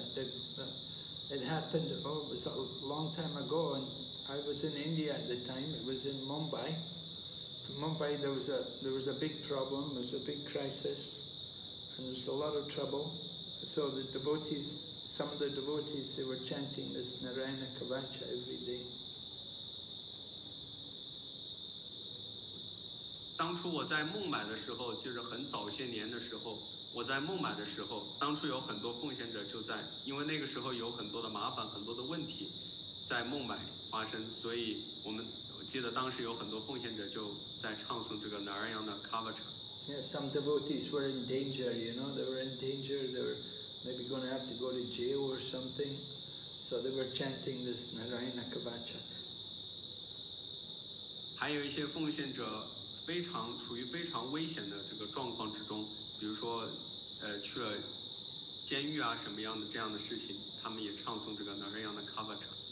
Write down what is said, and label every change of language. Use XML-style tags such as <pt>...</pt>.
<en>It happened, it was a long time ago, and I was in India at the time. It was in Mumbai. In Mumbai, there was a big problem, there was a big crisis, and there was a lot of trouble. So the devotees, some of the devotees, they were chanting this Narayana Kavacha every day.</en> <zh>当初我在孟买的时候，就是很早些年的时候，我在孟买的时候，当初有很多奉献者就在，因为那个时候有很多的麻烦，很多的问题在孟买发生，所以我记得当时有很多奉献者就在唱诵这个 Narayana Kavacha。</zh> <en>Yeah, some devotees were in danger, you know, they were in danger, they were maybe going to have to go to jail or something, so they were chanting this Narayana Kavacha.</en> <zh>还有一些奉献者非常处于非常危险的这个状况之中，比如说去了监狱啊什么样的这样的事情，他们也唱诵这个哪吒样的卡巴唱。</zh>